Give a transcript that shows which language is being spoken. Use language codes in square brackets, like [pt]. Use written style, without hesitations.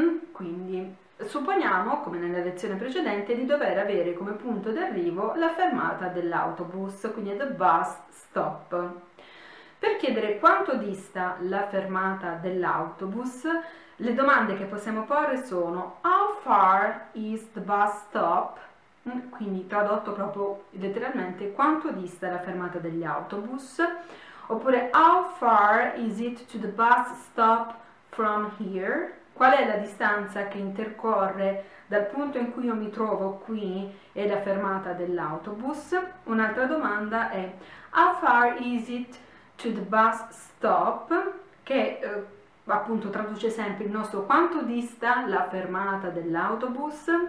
[it] Quindi supponiamo, come nella lezione precedente, di dover avere come punto d'arrivo la fermata dell'autobus, quindi [en] the bus stop. [it] Per chiedere quanto dista la fermata dell'autobus, le domande che possiamo porre sono: [en] How far is the bus stop? [it] Quindi tradotto proprio letteralmente, quanto dista la fermata degli autobus? Oppure, [en] how far is it to the bus stop from here? [it] Qual è la distanza che intercorre dal punto in cui io mi trovo qui e la fermata dell'autobus? Un'altra domanda è: [en] how far is it to the bus stop? [it] Che appunto traduce sempre il nostro quanto dista la fermata dell'autobus?